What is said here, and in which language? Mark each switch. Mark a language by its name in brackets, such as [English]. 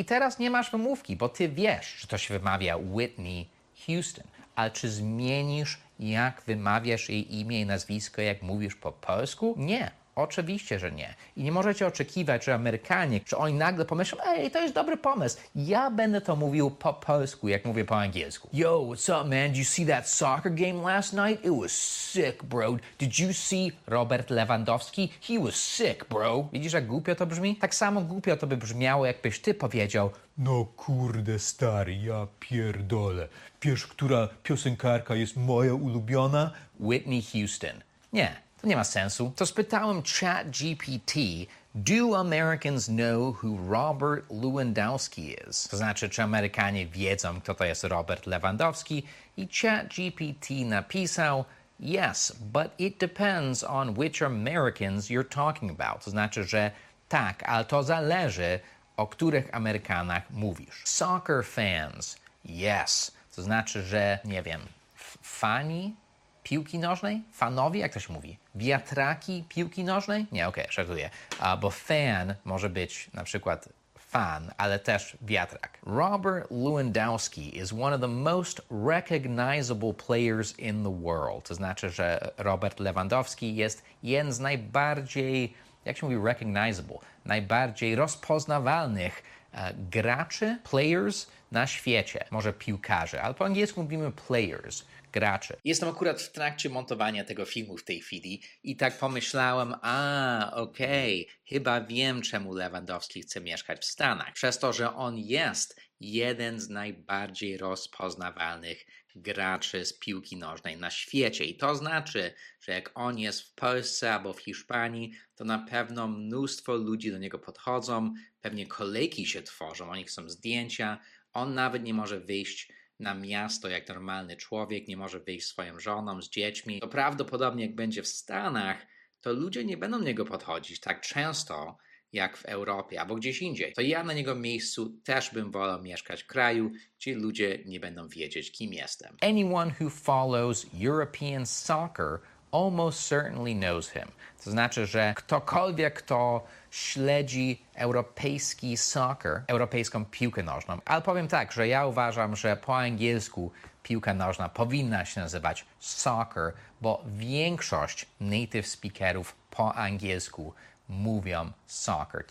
[Polish] I teraz nie masz wymówki, bo ty wiesz, że to się wymawia Whitney Houston, ale czy zmienisz, jak wymawiasz jej imię i nazwisko, jak mówisz po polsku? Nie. Oczywiście, że nie. I nie możecie oczekiwać, że Amerykanie, czy oni nagle pomyślą, ej, to jest dobry pomysł. Ja będę to mówił po polsku, jak mówię po angielsku. [English] Yo, what's up, man? Did you see that soccer game last night? It was sick, bro. Did you see Robert Lewandowski? He was sick, bro. [Polish] Widzisz, jak głupio to brzmi? Tak samo głupio to by brzmiało, jakbyś ty powiedział, no kurde, stary, ja pierdolę. Wiesz, która piosenkarka jest moja ulubiona? Whitney Houston. Nie, to nie ma sensu. To spytałem ChatGPT, [English] do Americans know who Robert Lewandowski is? [Polish] To znaczy, czy Amerykanie wiedzą, kto to jest Robert Lewandowski? I ChatGPT napisał, [English] yes, but it depends on which Americans you're talking about. [Polish] To znaczy, że tak, ale to zależy, o których Amerykanach mówisz. [English] Soccer fans, yes. [Polish] To znaczy, że, nie wiem, fani piłki nożnej? Fanowie, jak to się mówi? Wiatraki piłki nożnej? Nie, okej, okay, żartuję. Bo fan może być na przykład fan, ale też wiatrak. [English] Robert Lewandowski is one of the most recognizable players in the world. [Polish] To znaczy, że Robert Lewandowski jest jeden z najbardziej, jak się mówi, recognizable, najbardziej rozpoznawalnych graczy, players na świecie. Może piłkarze, ale po angielsku mówimy players, graczy. Jestem akurat w trakcie montowania tego filmu w tej chwili i tak pomyślałem, a okej, okay, chyba wiem, czemu Lewandowski chce mieszkać w Stanach. Przez to, że on jest jeden z najbardziej rozpoznawalnych graczy z piłki nożnej na świecie. I to znaczy, że jak on jest w Polsce albo w Hiszpanii, to na pewno mnóstwo ludzi do niego podchodzą, pewnie kolejki się tworzą, oni chcą zdjęcia. On nawet nie może wyjść na miasto jak normalny człowiek, nie może wyjść z swoją żoną, z dziećmi. To prawdopodobnie jak będzie w Stanach, to ludzie nie będą do niego podchodzić tak często jak w Europie albo gdzieś indziej. To ja na jego miejscu też bym wolał mieszkać w kraju, gdzie ludzie nie będą wiedzieć, kim jestem. [English] Anyone who follows European soccer almost certainly knows him. [Polish] To znaczy, że ktokolwiek, kto śledzi europejski soccer, europejską piłkę nożną, ale powiem tak, że ja uważam, że po angielsku piłka nożna powinna się nazywać soccer, bo większość native speakerów po angielsku mówią soccer.